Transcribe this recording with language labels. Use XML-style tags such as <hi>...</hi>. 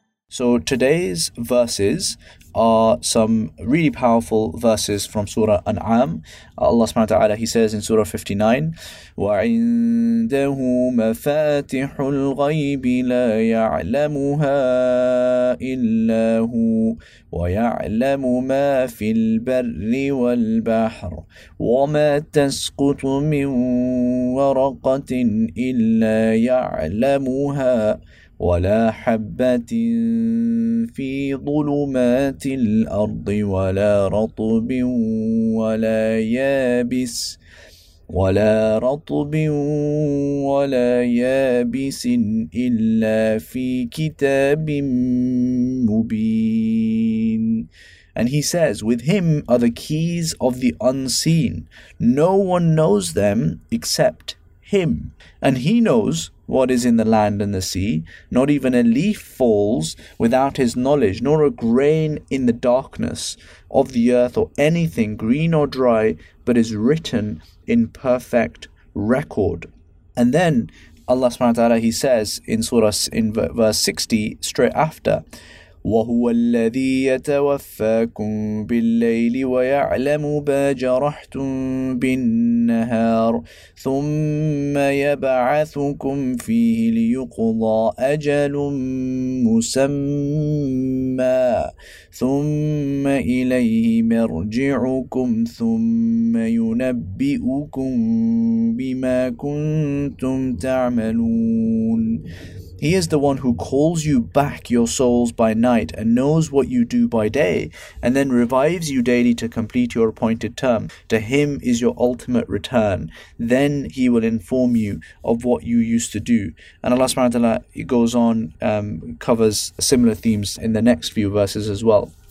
<en>So today's verses are some really powerful verses from Surah An'am.</en> <ar>Allah subhanahu wa ta'ala,</ar> <en>he says in Surah 59,</en> <ar>وَعِندَهُ مَفَاتِحُ الْغَيْبِ لَا يَعْلَمُهَا إِلَّا هُوَ وَيَعْلَمُ مَا فِي الْبَرِّ وَالْبَحْرِ وَمَا تَسْقُطُ مِنْ وَرَقَةٍ إِلَّا يَعْلَمُهَا وَلَا حَبَّةٍ فِي ظُلُمَاتِ الْأَرْضِ وَلَا رَطْبٍ وَلَا يَابِسٍ وَلَا رَطْبٍ وَلَا يَابِسٍ إِلَّا فِي كِتَابٍ مُبِينٍ.</ar> <en>And he says, with him are the keys of the unseen. No one knows them except him. And he knows what is in the land and the sea. Not even a leaf falls without his knowledge, nor a grain in the darkness of the earth or anything green or dry, but is written in perfect record. And then Allah subhanahu wa ta'ala, he says in surah, in verse 60, straight after,</en> <ar>وَهُوَ الَّذِي يَتَوَفَّاكُمْ بِاللَّيْلِ وَيَعْلَمُ مَا جَرَحْتُمْ بِالنَّهَارِ ثُمَّ يَبْعَثُكُمْ فِيهِ لِيُقْضَى أَجَلٌ مُسَمَّى ثُمَّ إِلَيْهِ مَرْجِعُكُمْ ثُمَّ يُنَبِّئُكُمْ بِمَا كُنْتُمْ تَعْمَلُونَ.</ar> <en>He is the one who calls you back your souls by night and knows what you do by day, and then revives you daily to complete your appointed term. To him is your ultimate return. Then he will inform you of what you used to do. And Allah subhanahu wa ta'ala, it goes on, covers similar themes in the next few verses as well.</en>